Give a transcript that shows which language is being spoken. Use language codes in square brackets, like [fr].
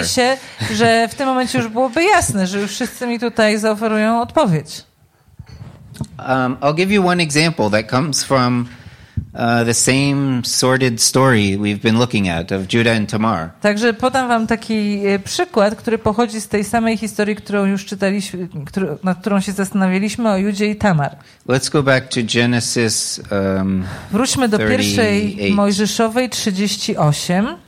[pl] Wydawało mi się, że w tym momencie już byłoby jasne, że już wszyscy mi tutaj zaoferują odpowiedź. [en] I'll give you one example that comes from the same sordid story we've been looking at of Judah and Tamar. [pl] Także podam wam taki przykład, który pochodzi z tej samej historii, którą już czytaliśmy, nad którą się zastanawialiśmy, o Judzie i Tamar. [en] Let's go back to Genesis. [pl] Wróćmy do pierwszej Mojżeszowej 38.